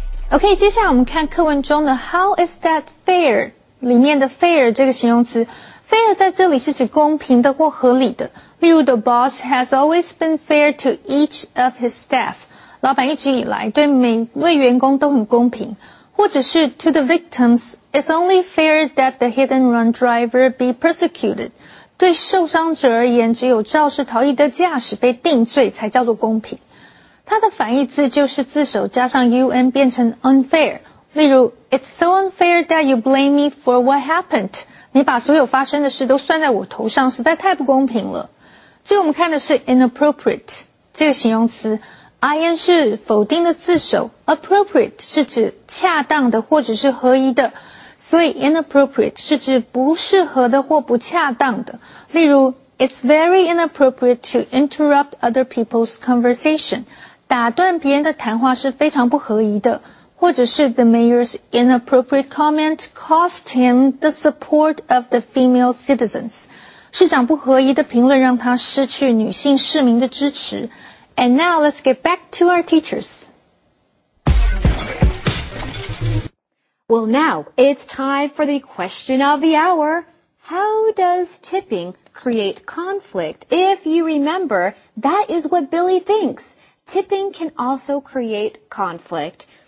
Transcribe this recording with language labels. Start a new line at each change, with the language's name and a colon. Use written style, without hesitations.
Chinese: OK， 接下来我们看课文中的
English: How is that fair？
Chinese: 里面的 fair 这个形容词 ，fair 在这里是指公平的或合理的。例如
English: ，The boss has always been fair to each of his staff。
Chinese: 老板一直以来对每位员工都很公平。或者是
English: To the victims， it's only fair that the hit and run driver be persecuted。
Chinese: 对受伤者而言，只有肇事逃逸的驾驶被定罪才叫做公平。它的反义字就是自首加上 un 变成 unfair， 例如
English: It's so unfair that you blame me for what happened，
Chinese: 你把所有发生的事都算在我头上，实在太不公平了。所以我们看的是 inappropriate 这个形容词， in 是否定的自首， appropriate 是指恰当的或者是合宜的，所以 inappropriate 是指不适合的或不恰当的。
English: 例如 It's very inappropriate to interrupt other people's conversation.
Chinese: 打断别人的谈话是非常不合宜的。
English: 或者是 The mayor's inappropriate comment cost him the support of the female citizens.
Chinese: 市长不合宜的评论让他失去女性市民的支持。
English: And now let's get back to our teachers. Well, now it's time for the question of the hour. How does tipping create conflict? If you remember, that is what Billy thinks. Tipping can also create conflict.